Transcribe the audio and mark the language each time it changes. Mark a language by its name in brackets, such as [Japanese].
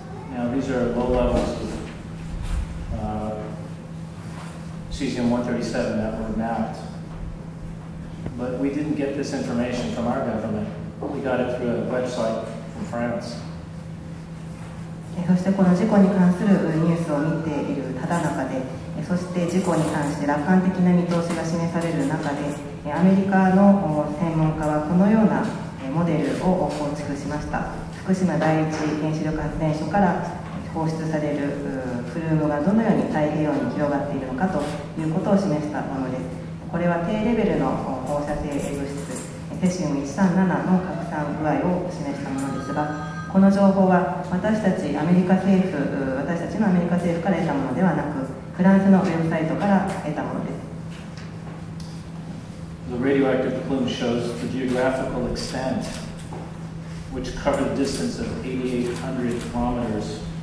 [English] Now, these are low levels of cesium-137 that were mapped. But we didn't get this information from our government. We got it through a website from France. [Japanese] そしてこの事故に関するニュースを見ているただ中で、そして事故に関して楽観的な見通しが示される中で、アメリカの専門家はこのようなモデルを構築しました。福島第一原子力発電所から放出されるプルームがどのように太平洋に広がっているのかということを示したものです。これは低レベルの放射性物質、セシウム137の拡散具合を示したものですが、この情報は私たちアメリカ政府、私たちのアメリカ政府から得たものではなく、フランスのウェブサイトから得たものです。 [English] The radioactive plume shows the geographical extent, which covered a distance of 8,800 kilometers.